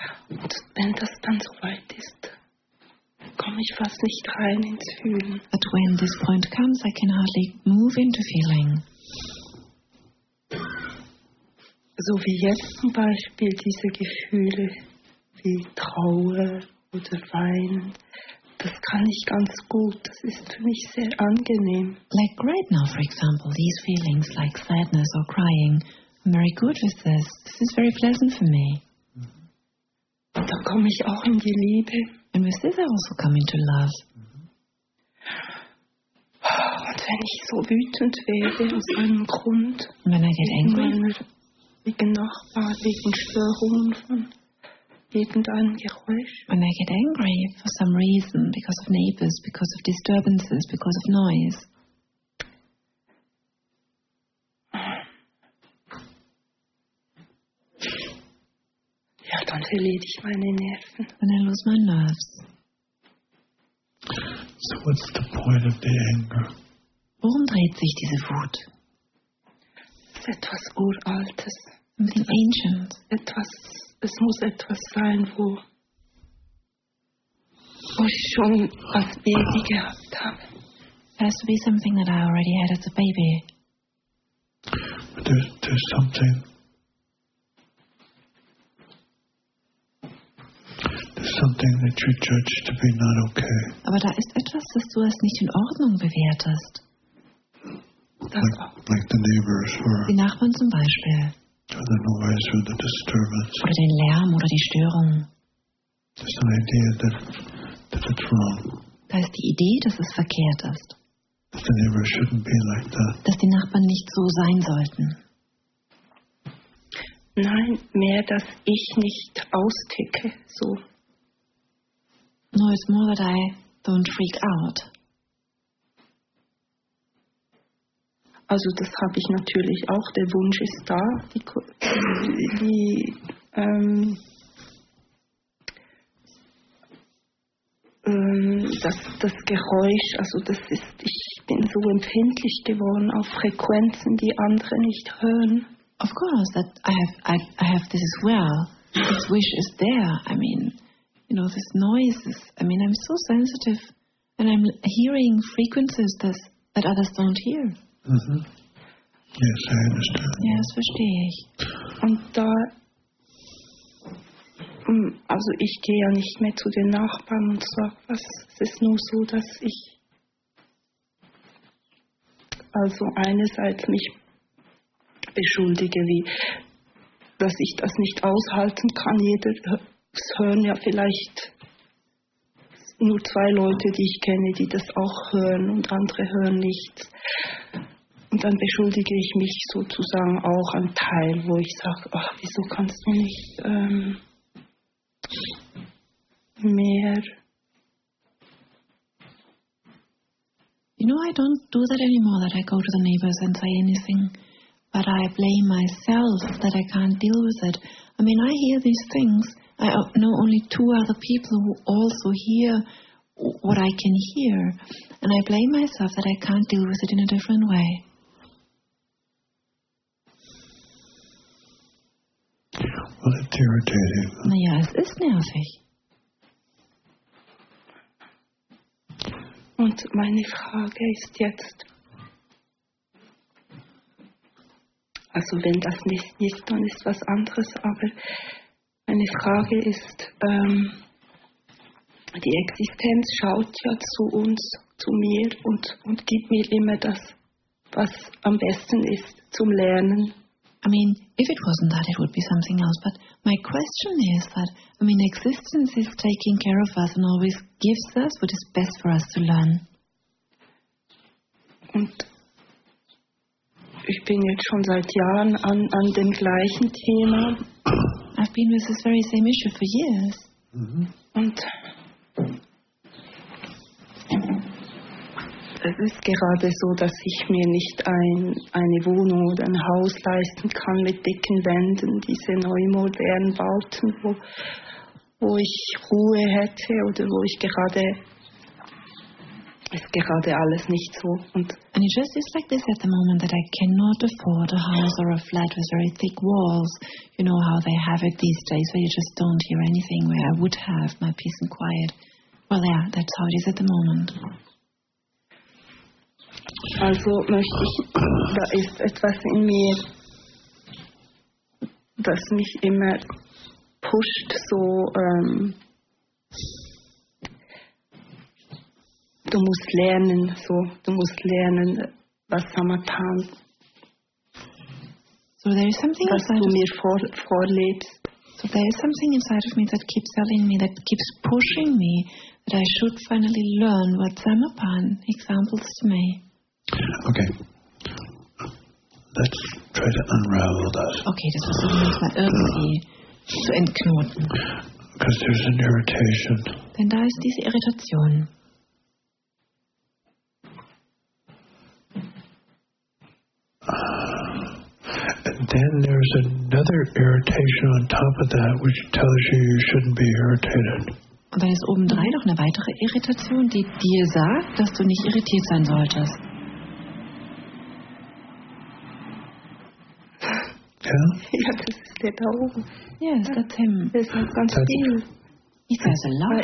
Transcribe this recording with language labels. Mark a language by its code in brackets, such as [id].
[de] Und wenn das dann so weit ist, komme ich fast nicht rein ins Fühlen. [en] But when this point comes, I can hardly move into feeling. [de] So wie jetzt zum Beispiel diese Gefühle wie Trauer oder Weinen. Das kann ich ganz gut. Das ist für mich sehr angenehm. [en] Like right now, for example, these feelings like sadness or crying, I'm very good with this. This is very pleasant for me. [de] Mm-hmm. Da komme ich auch in die Liebe. [en] And with this I also come into love. Mm-hmm. [de] Und wenn ich so wütend werde, aus einem Grund, when I get angry, wegen Nachbar, wegen Störungen von irgendein Geräusch. [en] When I get angry for some reason, because of neighbors, because of disturbances, because of noise. [de] Ja, dann verliere ich meine Nerven. [en] When I lose my nerves. So what's the point of the anger? [de] Worum dreht sich diese Wut? Es ist etwas Uraltes. [en] Something ancient. [de] Etwas. Es muss etwas sein, wo ich schon als Baby gehabt habe. [en] It has to be something that I already had as a baby. There's something. There's something that you judge to be not okay. [de] Aber da ist etwas, das du als nicht in Ordnung bewertest. [en] Like the neighbors or [de] die Nachbarn zum Beispiel. [en] Or the noise or the disturbance. [de] Oder den Lärm oder die Störung. [en] There's an idea that it's wrong. [de] Da ist die Idee, dass es verkehrt ist. [en] That the neighbors shouldn't be like that. [de] Dass die Nachbarn nicht so sein sollten. Nein, mehr, dass ich nicht austicke, so. [en] No, it's more that I don't freak out. [de] Also das habe ich natürlich auch, der Wunsch ist da, das Geräusch, also das ist, ich bin so empfindlich geworden auf Frequenzen, die andere nicht hören. [en] Of course, that I have this as well, this wish is there, I mean, you know, this noise, I'm so sensitive, and I'm hearing frequencies that others don't hear. Mm-hmm. Yes, I understand. [de] Ja, das verstehe ich. Und da, also ich gehe ja nicht mehr zu den Nachbarn und sage, was, es ist nur so, dass ich, also einerseits mich beschuldige, wie, dass ich das nicht aushalten kann. Jeder, es hören ja vielleicht nur zwei Leute, die ich kenne, die das auch hören und andere hören nichts. Und dann beschuldige ich mich sozusagen auch ein Teil, wo ich sage, ach, wieso kannst du nicht mehr. [en] You know, I don't do that anymore, that I go to the neighbors and say anything. But I blame myself that I can't deal with it. I mean, I hear these things. I know only two other people who also hear what I can hear. And I blame myself that I can't deal with it in a different way. Well, it's irritating. [de] Na ja, es ist nervig. Und meine Frage ist jetzt, also wenn das nicht ist, dann ist was anderes, aber meine Frage ist, die Existenz schaut ja zu uns, zu mir und gibt mir immer das, was am besten ist zum Lernen. [en] I mean, if it wasn't that, it would be something else. But my question is that, I mean, existence is taking care of us and always gives us what is best for us to learn. [de] Und ich bin jetzt schon seit Jahren an dem gleichen Thema. [en] I've been with this very same issue for years. Mm-hmm. [de] Und es ist gerade so, dass ich mir nicht eine Wohnung oder ein Haus leisten kann mit dicken Wänden, diese neumodernen Bauten, wo ich Ruhe hätte oder wo ich gerade, ist gerade alles nicht so. [en] And it just is like this at the moment that I cannot afford a house or a flat with very thick walls. You know how they have it these days, where you just don't hear anything, where I would have my peace and quiet. Well, yeah, that's how it is at the moment. [de] Also möchte ich, da ist etwas in mir, das mich immer pusht, so, du musst lernen, so, du musst lernen, was Samatan, [en] so there is something [de] was du mir vorlebst. [en] So there is something inside of me that keeps telling me, that keeps pushing me, that I should finally learn what Samatan examples to me. Okay, let's try to unravel that. [de] Okay, das ist ein bisschen irgendwie zu entknoten. [en] Because there's an irritation. [de] Denn da ist diese Irritation. [en] And then there's another irritation on top of that, which tells you you shouldn't be irritated. [de] Und dann ist obendrein noch eine weitere Irritation, die dir sagt, dass du nicht irritiert sein solltest. Ja, das ist der da oben. [en] Yes, that's him. [de] Das ist ganz viel. [en] He says a lot.